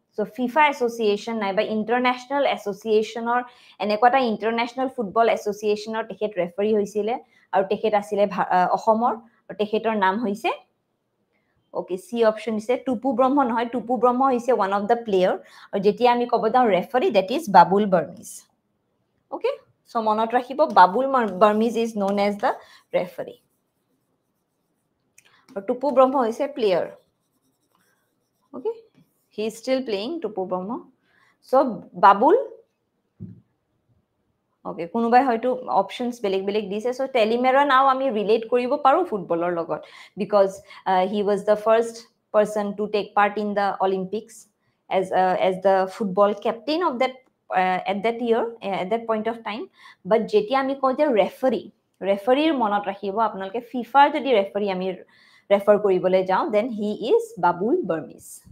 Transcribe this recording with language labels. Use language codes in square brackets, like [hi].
[as] So FIFA association নাইবা international এছ'চিয়েশ্যনৰ এনেকুৱা এটা ইণ্টাৰনেশ্যনেল ফুটবল এছ'চিয়েশ্যনৰ তেখেত ৰেফাৰী হৈছিলে, আৰু তেখেত আছিলে অসমৰ, আৰু তেখেতৰ নাম হৈছে, অ'কে, চি অপশ্যন দিছে টুপু ব্ৰহ্ম নহয়, টুপু ব্ৰহ্ম হৈছে [en] one of the player, [as] আৰু যেতিয়া আমি ক'ব যাওঁ referee, [en] That is Babul Barmiz. [as] Okay, so মনত ৰাখিব, Babul Burmese [en] is known as the referee, [as] আৰু টুপু ব্ৰহ্ম হৈছে player. [en] Okay, he is still playing, Tupu Brahma. [as] So Babul, okay, কোনোবাই হয়তো অপশ্যনছ বেলেগ বেলেগ দিছে। সো টেলিমেৰণ আও আমি ৰিলেট কৰিব পাৰোঁ ফুটবলৰ লগত, [en] Because he was the first person to take part in the Olympics as as the football captain of that at that year, at that point of time. [as] বাট যেতিয়া আমি কওঁ যে ৰেফাৰী, ৰেফাৰীৰ মনত ৰাখিব আপোনালোকে, ফিফাৰ যদি ৰেফাৰী আমি ৰেফাৰ কৰিবলৈ যাওঁ, [en] Then he is Babul Burmese.